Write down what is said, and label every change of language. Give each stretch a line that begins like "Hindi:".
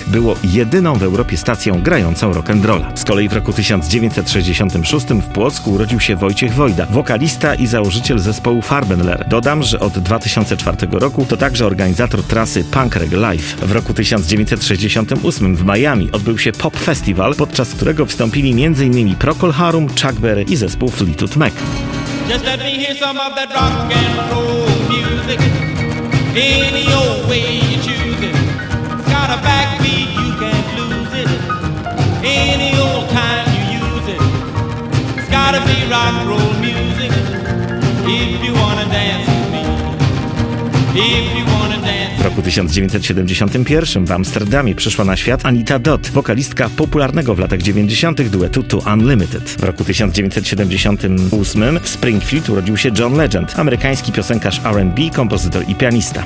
Polish: było jedyną w Europie stacją grającą rock'n'rolla. Z kolei w roku 1966 w Płocku urodził się Wojciech Wojda, wokalista i założyciel zespołu Farbenler. Dodam, że od 2004 roku to także organizator trasy Punk Reg Live. W roku 1968 w Miami odbył się Pop Festival, podczas którego wstąpili m.in. Procol Harum, Chuck Berry i zespół Fleetwood Mac.
English: Just let me hear some of that rock and roll music. Any old way you choose it. It's got a backbeat, you can't lose it. Any old time you use it. It's gotta be rock and roll music. If you wanna dance with me. If you wanna dance.
Polish: W roku 1971 w Amsterdamie przyszła na świat Anita Dodd, wokalistka popularnego w latach 90. duetu To Unlimited. W roku 1978 w Springfield urodził się John Legend, amerykański piosenkarz R&B, kompozytor i pianista.